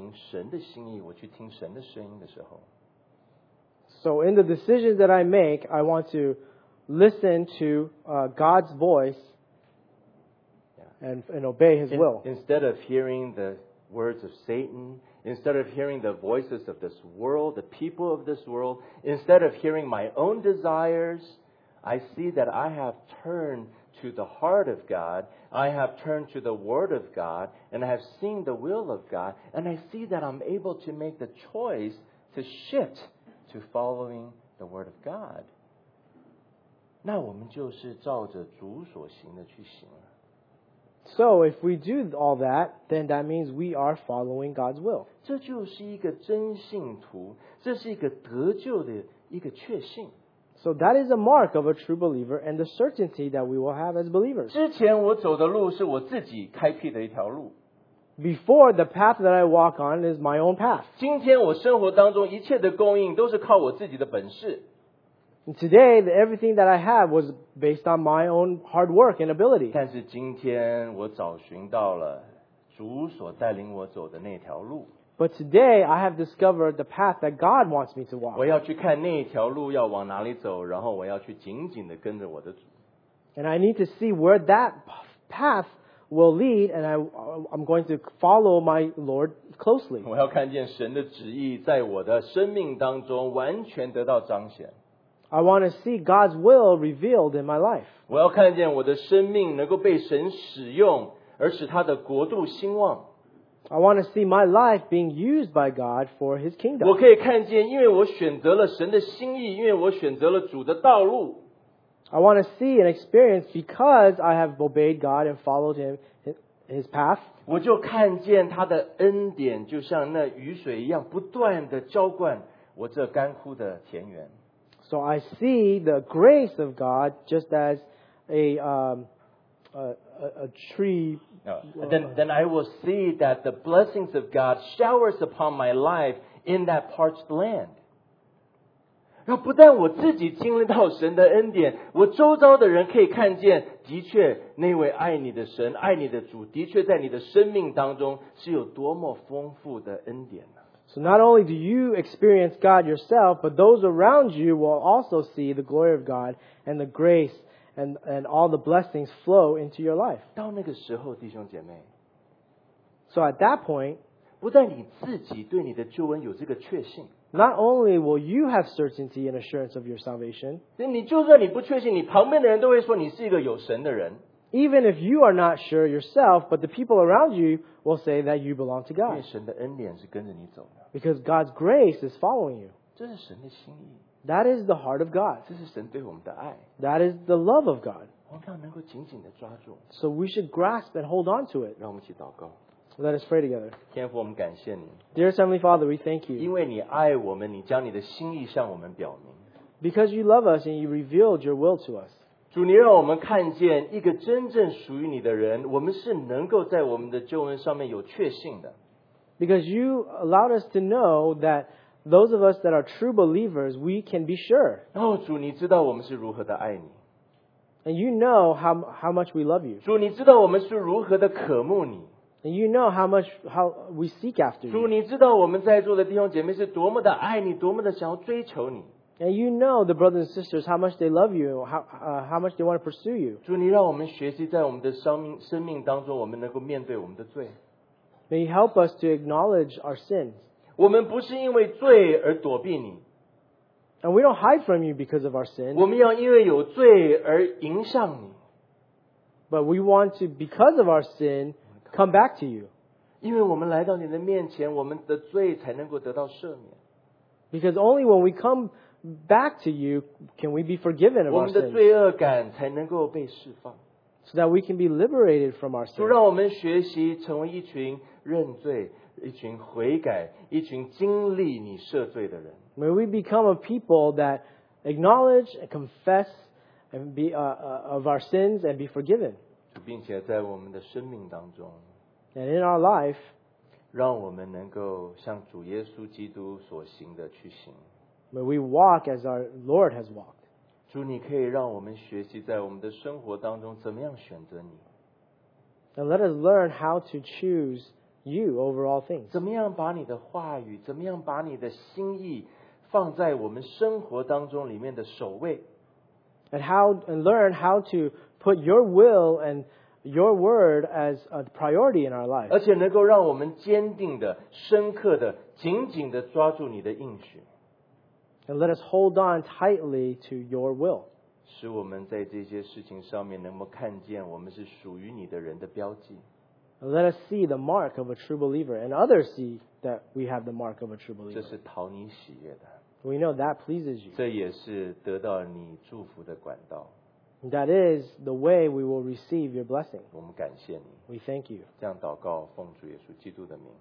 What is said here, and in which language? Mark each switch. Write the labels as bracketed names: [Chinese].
[Chinese] 如果我不断地发现我开始去了解神的话，我去了解神的心意，并且当我在做决定的时候，我所做的就像我的主一样，我是去遵行神的心意，我去听神的声音的时候。 [English] So in the decisions that I make, I want to listen to God's voice and obey His will. Instead of hearing the words of Satan, instead of hearing the voices of this world, the people of this world, instead of hearing my own desires, I see that I have turned to the heart of God, I have turned to the Word of God, and I have seen the will of God, and I see that I'm able to make the choice to shift to following the word of God. [Chinese] 那我们就是照着主所行的去行了。 [English] So if we do all that, then that means we are following God's will. [Chinese] 这就是一个真信徒，这是一个得救的一个确信。 [English] So that is a mark of a true believer and the certainty that we will have as believers. [Chinese] 之前我走的路是我自己开辟的一条路。 [English] Before, the path that I walk on is my own path. [Chinese] 今天我生活当中一切的供应都是靠我自己的本事。 [English] And today, everything that I have was based on my own hard work and ability. [Chinese] 但是今天我找寻到了主所带领我走的那条路。 [English] But today, I have discovered the path that God wants me to walk. [Chinese] 我要去看那条路要往哪里走，然后我要去紧紧地跟着我的主。 [English] And I need to see where that path will lead, and I'm going to follow my Lord closely. [Chinese] 我要看见神的旨意在我的生命当中完全得到彰显。 [English] I want to see God's will revealed in my life. [Chinese] 我要看见我的生命能够被神使用，而使他的国度兴旺。 [English] I want to see my life being used by God for His kingdom. [Chinese] 我可以看见，因为我选择了神的心意，因为我选择了主的道路。 [English] I want to see and experience because I have obeyed God and followed Him, His path. [Chinese] 我就看见他的恩典就像那雨水一样，不断地浇灌我这干枯的田园。 [English] So I see the grace of God just as a tree. Then I will see that the blessings of God showers upon my life in that parched land. [Chinese] 然后不但我自己经历到神的恩典，我周遭的人可以看见，的确那位爱你的神、爱你的主，的确在你的生命当中是有多么丰富的恩典。 [English] So not only do you experience God yourself, but those around you will also see the glory of God and the grace And all the blessings flow into your life. [Chinese] 到那个时候，弟兄姐妹。 [English] So at that point, [Chinese] 不但你自己对你的救恩有这个确信。 [English] Not only will you have certainty and assurance of your salvation. [Chinese] 你就算你不确信，你旁边的人都会说你是一个有神的人。 [English] Even if you are not sure yourself, but the people around you will say that you belong to God. [Chinese] 因为神的恩典是跟着你走的。 [English] Because God's grace is following you. [Chinese] 这是神的心意。 [English] That is the heart of God. [Chinese] 这是神对我们的爱。 [English] That is the love of God. [Chinese] 我们要能够紧紧地抓住。 [English] So we should grasp and hold on to it. [Chinese] 让我们一起祷告。 [English] Let us pray together. [Chinese] 天父，我们感谢你。 [English] Dear Heavenly Father, we thank you. [Chinese] 因为你爱我们，你将你的心意向我们表明。 [English] Because you love us and you revealed your will to us. [Chinese] 主，你让我们看见一个真正属于你的人，我们是能够在我们的救恩上面有确信的。 [English] Because you allowed us to know that those of us that are true believers, we can be sure. [Chinese] 哦，主，你知道我们是如何的爱你。 [English] And you know how much we love you. [Chinese] 主，你知道我们是如何的渴慕你。 [English] And you know how we seek after you. [Chinese] 主，你知道我们在座的弟兄姐妹是多么的爱你，多么的想要追求你。 [English] And you know the brothers and sisters how much they love you, how much they want to pursue you. [Chinese] 主，你让我们学习在我们的生命当中，我们能够面对我们的罪。 [English] May you help us to acknowledge our sins. [Chinese] 我们不是因为罪而躲避你。 [English] And we don't hide from you because of our sin. [Chinese] 我们要因为有罪而迎向你。 [English] But we want to, because of our sin, come back to you. [Chinese] 因为我们来到你的面前，我们的罪才能够得到赦免。 [English] Because only when we come back to you can we be forgiven of our sins. [Chinese] 我们的罪恶感才能够被释放。 [English] So that we can be liberated from our sin. [Chinese] 让我们学习成为一群认罪、一群悔改、一群经历你赦罪的人。 [English] May we become a people that acknowledge and confess and be of our sins and be forgiven. [Chinese] 并且在我们的生命当中 [English] ，and in our life， [Chinese] 让我们能够像主耶稣基督所行的去行。 [English] May we walk as our Lord has walked. [Chinese] 主，你可以让我们学习在我们的生活当中怎么样选择你。 [English] And let us learn how to choose you over all things. [Chinese] 怎么样把你的话语，怎么样把你的心意放在我们生活当中里面的首位。 [English] And learn how to put your will and your word as a priority in our life. [Chinese] 而且能够让我们坚定的、深刻的、紧紧的抓住你的应许。 [English] And let us hold on tightly to your will. [Chinese] 使我们在这些事情上面能够看见我们是属于你的人的标记。 [English] Let us see the mark of a true believer, and others see that we have the mark of a true believer. [Chinese] 这是讨你喜悦的。 [English] We know that pleases you. [Chinese] 这也是得到你祝福的管道。 [English] That is the way we will receive your blessing. [Chinese] 我们感谢你。 [English] We thank you. [Chinese] 这样祷告，奉主耶稣基督的名。